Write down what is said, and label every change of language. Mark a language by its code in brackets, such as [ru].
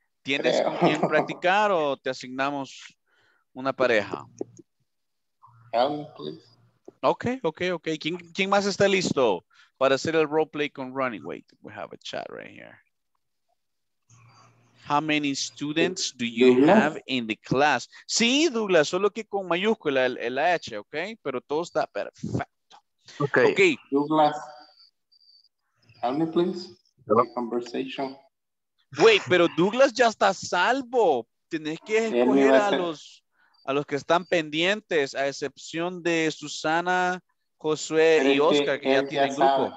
[es] ¿Tienes con quién practicar o te asignamos una pareja? [en] Help me, please. Ok. [es] ¿Quién más está listo para hacer el role play con Ronnie? [en] Wait, we have a chat right here. How many students do you have in the class? [es] Sí, Douglas, solo que con mayúscula el H, ok? Pero todo está perfecto. [en] Okay. Ok. Douglas, help me, please. Hello. Conversation. Wait, [es] pero Douglas ya está salvo. Tienes que escoger a los que están pendientes, a excepción de Susana, Josué y Oscar, que ya tienen grupo.